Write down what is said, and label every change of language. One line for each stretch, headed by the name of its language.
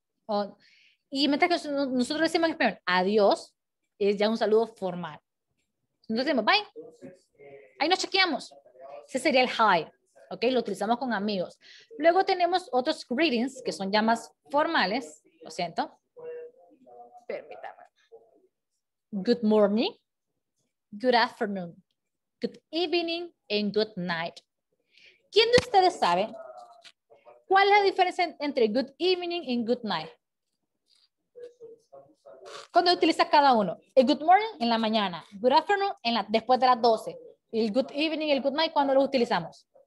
Spanish: O, y mientras que nosotros decimos en español adiós, es ya un saludo formal. Nosotros decimos bye, ahí nos chequeamos. Ese sería el hi, ¿ok? Lo utilizamos con amigos. Luego tenemos otros greetings que son ya más formales, lo siento. Permítame.
English: Good morning, good afternoon, good evening, and good night.
Spanish: ¿Quién de ustedes sabe cuál es la diferencia entre good evening y good night? ¿Cuándo utiliza cada uno? El good morning en la mañana, good afternoon en la, después de las 12. Y el good evening y el good night, ¿cuándo los utilizamos?